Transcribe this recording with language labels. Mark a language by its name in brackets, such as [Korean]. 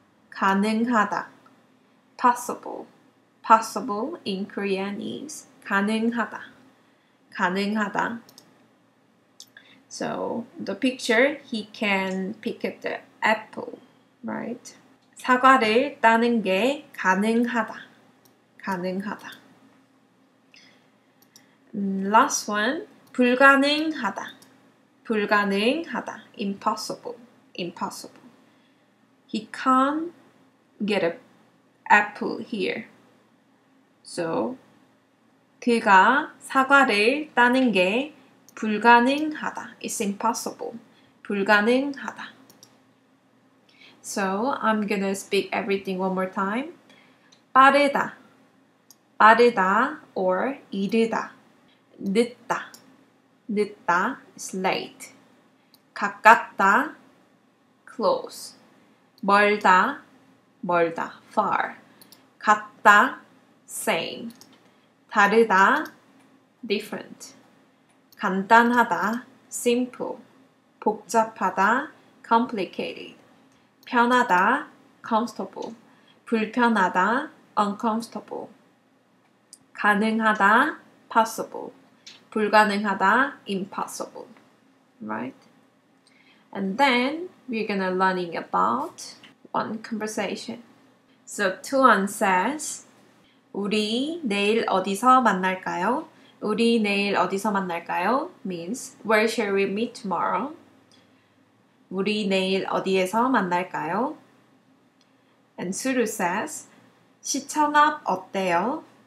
[Korean] 가능하다. [English] Possible. Possible in Korean is [Korean] 가능하다. 가능하다. [English] So, the picture, he can pick up the apple, right? [Korean] 사과를 따는 게 가능하다. 가능하다. [English] Last one, [Korean] 불가능하다. 불가능하다. [English] Impossible. Impossible. He can't get an apple here. So, [Korean] 그가 사과를 따는 게 불가능하다. [English] It's impossible. [Korean] 불가능하다. [English] So I'm gonna speak everything one more time. [Korean] 빠르다. 빠르다 or 이르다. 늦다. 늦다 [English] is late. [Korean] 가깝다. [English] Close. [Korean] 멀다. 멀다. [English] Far. [Korean] 같다. [English] Same. [Korean] 다르다. [English] Different. [Korean] 간단하다. [English] Simple. [Korean] 복잡하다. [English] Complicated. [Korean] 편하다. [English] Comfortable. [Korean] 불편하다. [English] Uncomfortable. [Korean] 가능하다. [English] Possible. [Korean] 불가능하다. [English] Impossible. Right? And then we're gonna learning about one conversation. So Tuan says, [Korean] 우리 내일 어디서 만날까요? 우리 내일 어디서 만날까요? [English] Means, where shall we meet tomorrow? [Korean] 우리 내일 어디에서 만날까요? [English] And Suru says, [Korean] 시청 앞 어때요?